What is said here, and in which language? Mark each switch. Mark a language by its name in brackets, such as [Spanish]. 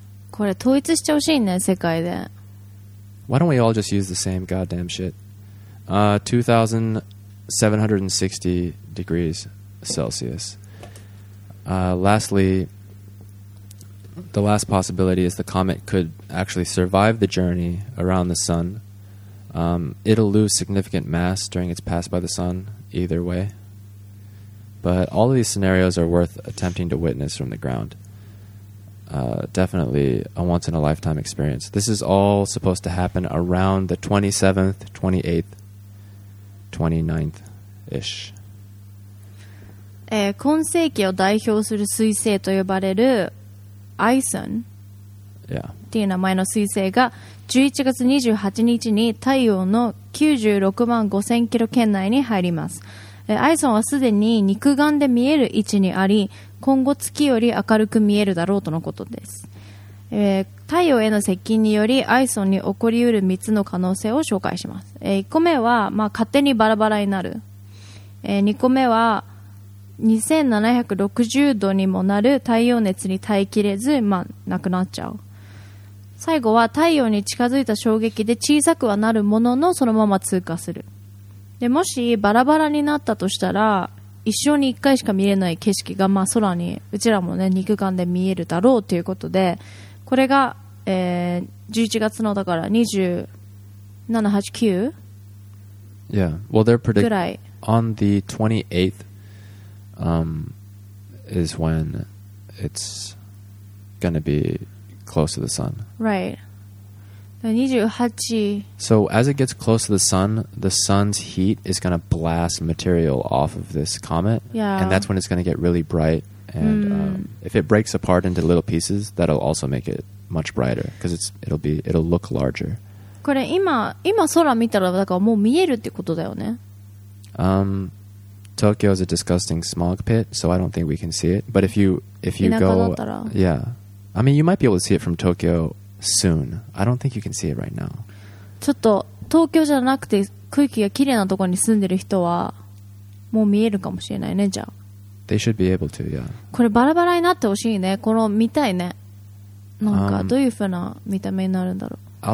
[Japanese] これ統一しちゃほしいね世界で。 [English] Why don't we all just use the same goddamn shit? 2760 degrees Celsius. Lastly, the last possibility is the comet could actually survive the journey around the sun. It'll lose significant mass during its pass by the sun, either way. But all of these scenarios are worth attempting to witness from the ground. Definitely a once-in-a-lifetime experience. This is all supposed to happen around the 27th, 28th, 29th-ish. [Japanese] 今世紀を代表する彗星と呼ばれるアイソンっていう名前の彗星が11月28日に太陽の96万5000キロ圏内に入ります。アイソンはすでに肉眼で見える位置にあり、今後月より明るく見えるだろうとのことです。太陽への接近によりアイソンに起こりうる3つの可能性を紹介します。 1個目は、まあ、勝手にバラバラになる。2個目は2760度にもなる太陽熱に耐えきれず、まあ、なくなっちゃう。最後は太陽に近づいた衝撃で小さくはなるもののそのまま通過する。でもしバラバラになったとしたら一生に一回しか見れない景色が、まあ、空にうちらも、ね、肉眼で見えるだろうということで、これが、11月のだから27、8、9、 [English] Yeah, well, they're predicting on the 28th is when it's going to be close to the sun. Right. 28. So as it gets close to the sun's heat is going to blast material off of this comet. Yeah. And that's when it's going to get really bright. And if it breaks apart into little pieces, that'll also make it much brighter because it'll look larger. [Japanese] これ今空見たらだからもう見えるってことだよね。 [English] Tokyo is a disgusting smog pit, so I don't think we can see it. But if you go, yeah, I mean, you might be able to see it from Tokyo soon. I don't think you can see it right now. [Japanese] ちょっと東京じゃなくて空気がきれいなところに住んでる人はもう見えるかもしれないね。じゃあ、 [English] they should be able to, yeah. [Japanese] これバラバラになってほしいね。この見たいね。なんかどういうふうな見た目になるんだろう。